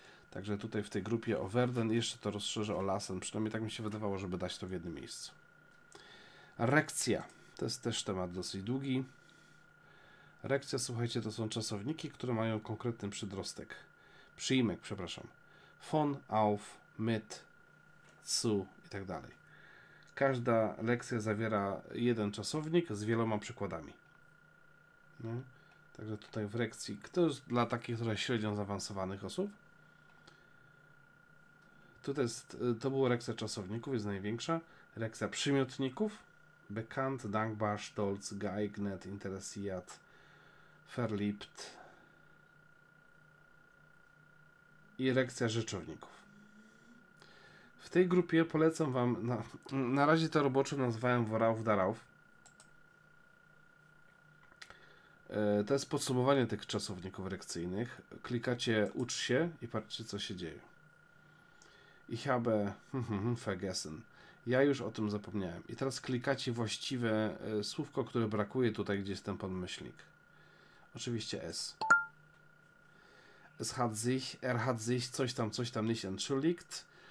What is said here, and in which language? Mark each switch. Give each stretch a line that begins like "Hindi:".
Polish: Także tutaj w tej grupie o Verden jeszcze to rozszerzę o lasem. Przynajmniej tak mi się wydawało, żeby dać to w jednym miejscu. Rekcja. To jest też temat dosyć długi. Rekcja, słuchajcie, to są czasowniki, które mają konkretny przydrostek. Przyimek, przepraszam.
German: Von, auf, mit, zu
Polish: i tak dalej. Każda lekcja zawiera jeden czasownik z wieloma przykładami. Nie? Także tutaj w lekcji, kto jest dla takich trochę średnio zaawansowanych osób? Tutaj jest, to była lekcja czasowników, jest największa. Lekcja przymiotników.
German: Bekannt, dankbar, stolz, geeignet, interessiert, verliebt.
Polish: I lekcja rzeczowników. W tej grupie polecam wam, na razie to roboczo nazywałem Worauf Darauf. To jest podsumowanie tych czasowników rekcyjnych. Klikacie ucz się i patrzcie, co się dzieje.
German: Ich habe vergessen.
Polish: Ja już o tym zapomniałem. I teraz klikacie właściwe słówko, które brakuje tutaj, gdzie jest ten podmyślnik. Oczywiście S.
German: Es hat sich, er hat sich
Polish: coś tam
German: nicht entschuldigt.